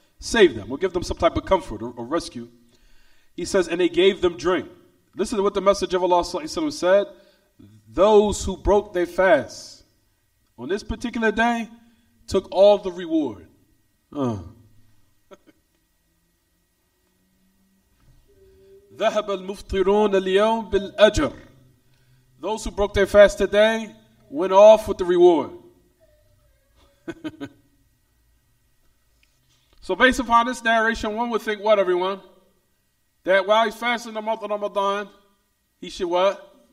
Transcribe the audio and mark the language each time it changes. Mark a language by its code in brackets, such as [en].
[en] Save them or give them some type of comfort or rescue. He says, and they gave them drink. Listen to what the Messenger of Allah Sallallahu Alaihi Wasallam said. Those who broke their fast on this particular day took all the reward. [ar] ذهب المفطرون اليوم بالأجر. [en] Those who broke their fast today went off with the reward. So based upon this narration, one would think what, everyone? That while he's fasting the month of Ramadan, he should what?